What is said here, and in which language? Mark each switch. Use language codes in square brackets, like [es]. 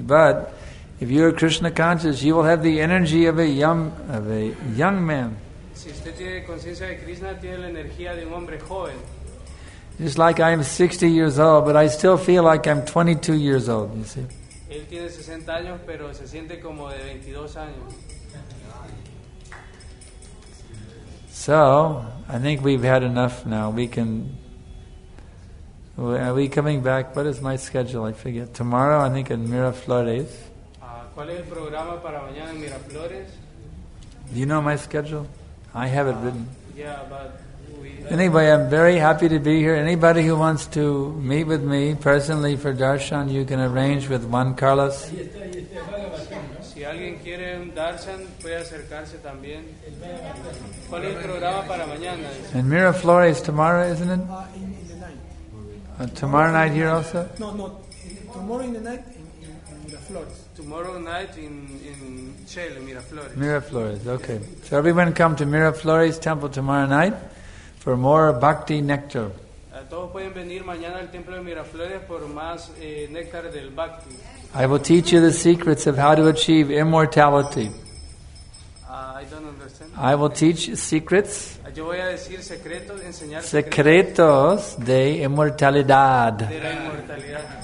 [en] But if you are Krishna conscious, you will have the energy of a young man. [es] Si usted tiene conciencia de Krishna, tiene la energía de un hombre joven. [en] Just like I am 60 years old, but I still feel like I'm 22 years old, you see. [es] Él tiene 60 años, pero se siente como de 22 años. [en] So, I think we've had enough now. We can... Well, are we coming back? What is my schedule? I forget. Tomorrow, I think, in Miraflores. [es] ¿Cuál es el programa para mañana en Miraflores? [en] Do you know my schedule? I have it written. Yeah, but... Anyway, I'm very happy to be here. Anybody who wants to meet with me personally for darshan, you can arrange with Juan Carlos. [es] Si alguien quiere un darshan, puede acercarse también. ¿Cuál es el programa para mañana? [en] In Miraflores tomorrow, isn't it? In the night. Tomorrow night here also? No. Tomorrow in the night in Miraflores. Tomorrow night in Chile, Miraflores. Miraflores, okay. So everyone come to Miraflores temple tomorrow night. For more bhakti nectar. [es] Todos pueden venir mañana al templo de Miraflores por más néctar del bhakti. [en] I will teach you the secrets of how to achieve immortality. I don't understand. I will teach secrets. [es] Yo voy a decir secretos, enseñar secretos de inmortalidad. De la inmortalidad.